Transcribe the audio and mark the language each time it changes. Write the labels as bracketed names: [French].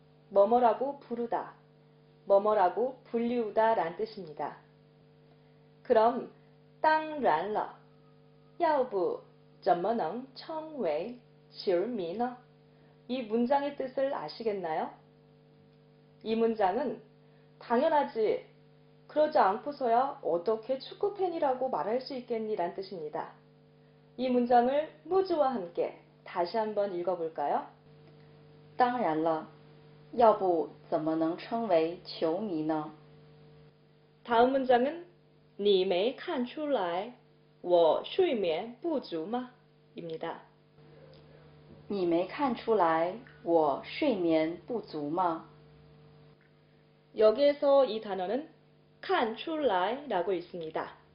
[Korean] 뭐뭐라고 부르다, 뭐뭐라고 불리우다 라는 뜻입니다. [Chinese] 그럼 当然了,要不怎么能称为球迷呢? [Korean] 이 문장의 뜻을 아시겠나요? 이 문장은 당연하지, 그러지 않고서야 어떻게 축구팬이라고 말할 수 있겠니? 라는 뜻입니다. 이 문장을 무즈와 함께 다시 한번 읽어볼까요? [Chinese] 当然了,要不怎么能称为球迷呢? [Korean] 다음 문장은 [Chinese] 你没看出来我睡眠不足吗? [Korean] 입니다. [Chinese] 你没看出来我睡眠不足吗? [Korean] 여기에서 이 단어는 看出来라고 있습니다.